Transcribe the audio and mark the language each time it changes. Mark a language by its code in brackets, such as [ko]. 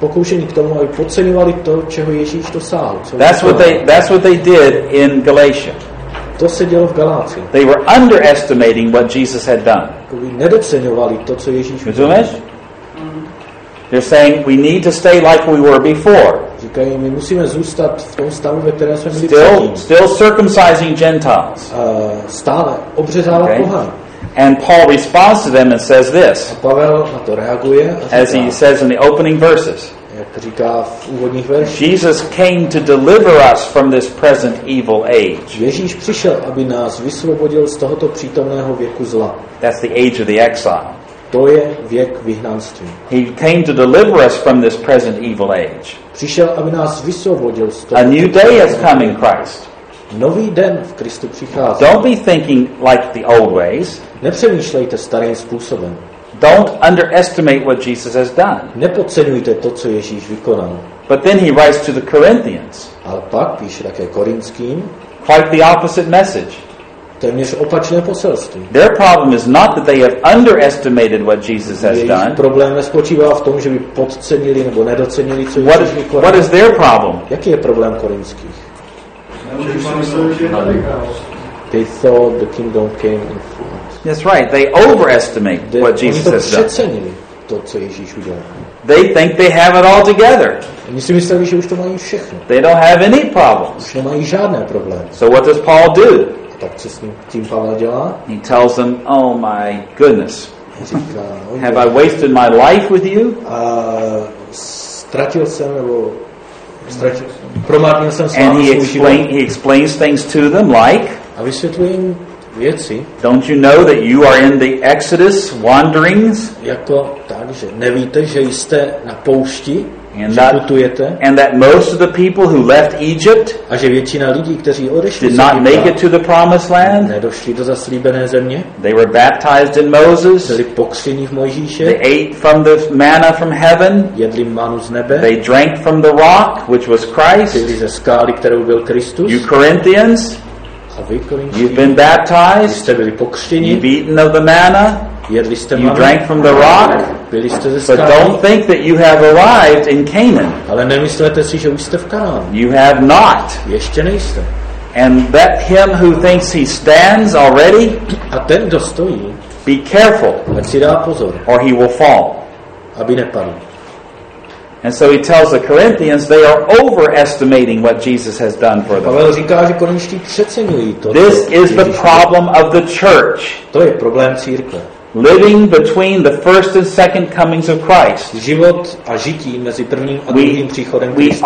[cs] aby podceňovali to, čeho Ježíš dosáhl. [en] That's what they did in Galatia. [cs] To se dělo v Galácii. [en] They were underestimating what Jesus had done. [cs] Nedoceňovali to, co Ježíš udělal. Rozumíš? [en] They're saying we need to stay like we were before. [cs] Říkají, my musíme zůstat v tom stavu, ve kterém jsme byli předtím. [en] Still circumcising Gentiles. [cs] Stále obřezávat okay. Pohany. [en] And Paul responds to them and says this. [cs] A Pavel na to reaguje. A říká, [en] as he says in the opening verses. [cs] Jak říká v úvodních verších. [en] Jesus came to deliver us from this present evil age. [cs] Ježíš přišel, aby nás vysvobodil z tohoto přítomného věku zla. [en] That's the age of the exile. [cs] To je věk vyhnanství. [en] He came to deliver us from this present evil age. [cs] Přišel, aby nás vysvobodil z toho. [en] A new day has come in Christ. [cs] Nový den v Kristu přichází. [en] Don't be thinking like the old ways. [cs] Nepřemýšlejte starým způsobem. [en] Don't underestimate what Jesus has done. [cs] Nepodceňujte to, co Ježíš vykonal. [en] But then he writes to the Corinthians. [cs] Ale pak píše také Korinským. [en] Quite the opposite message. [cs] Téměř opačné poselství. [en] Their problem is not that they have underestimated what Jesus has done. [cs] Jejich problém nespočívá v tom, že by podcenili nebo nedocenili, co Ježíš vykonal. [en] What is their problem? [cs] Jaký je problém Korinských? [en] They thought the kingdom came in fullness. That's right. They overestimate what Jesus has done. [cs] To, co Ježíš udělal. [en] They think they have it all together. [cs] Oni si mysleli, že už to mají všechno. [en] They don't have any problems. [cs] Už nemají žádné problémy. [en] So what does Paul do? [cs] A tak co s tím Pavel dělá? [en] He tells them, "Oh my goodness, [cs] říká, [en] have I wasted my life with you?" [cs] Ztratil jsem nebo ztratil jsem. Promarnil jsem svůj život. [en] And he explains things to them like. [cs] A vysvětluje jim věci. [en] Don't you know that you are in the Exodus wanderings? [cs] Jako tak, že nevíte, že jste na poušti, and že putujete. [en] And that most of the people who left Egypt, [cs] a že většina lidí, kteří odešli, [en] did not make it to the promised land. [cs] Nedošli do zaslíbené země. [en] They were baptized in Moses. [cs] Byli pokřtěni v Mojžíše. [en] They ate from the manna from heaven. [cs] Jedli manu z nebe. [en] They drank from the rock, which was Christ. [cs] Pili ze skály, kterou byl Kristus. [en] You Corinthians, you've been baptized. [cs] Jste byli pokřtěni. [en] You've eaten of the manna. [cs] Jedli jste manu. [en] You drank from the rock. [cs] Byli jste ze skály. [en] But don't think that you have arrived in Canaan. [cs] Ale nemyslete si, že už jste v Kanaan. [en] You have not. [cs] Ještě nejste. [en] And that him who thinks he stands already, [cs] a ten, kdo stojí, [en] be careful, [cs] ať si dá pozor, [en] or he will fall, [cs] aby nepadl. [en] And so he tells the Corinthians they are overestimating what Jesus has done for them. [cs] Pavel říká, že Korinští přeceňují to. [en] This is the problem of the church. [cs] To je problém církve. [en] Living between the first and second comings of Christ. [cs] Život a žití mezi prvním a druhým příchodem Krista.